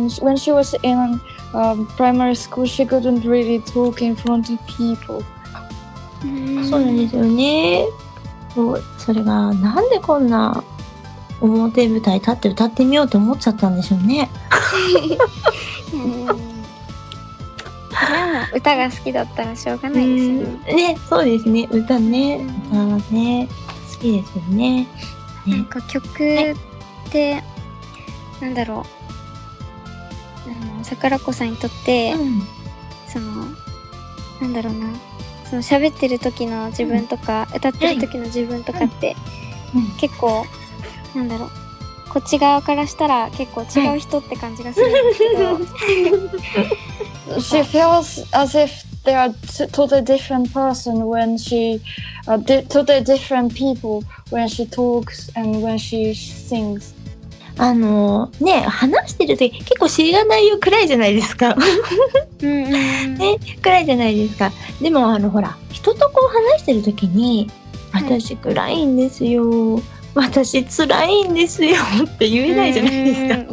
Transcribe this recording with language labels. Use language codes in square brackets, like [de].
[en] When she was in primary school, she couldn't really talk in front of people. [ja] そうなんですよね。それがなんでこんな表舞台立って歌ってみようと思っちゃったんでしょうね。歌が好きだったらしょうがないですね。ね、そうですね。歌ね、歌はね、好きですよね。なんか曲って、なんだろう、桜子さんにとって、なんだろうな、その喋ってる時の自分とか、歌ってる時の自分とかって、結構、なんだろう、こっち側からしたら結構違う人って感じがするんですけど。 [en] She feels as if they are totally different person when she totally different people when she talks and when she sings. [ja] あのね、話してるとき結構知らないよくらいじゃないですか。うんうん、ね、くらいじゃないですか。でもあのほら、人とこう話してるときに、私暗いんですよ、私つらいんですよって言えないじゃないですか。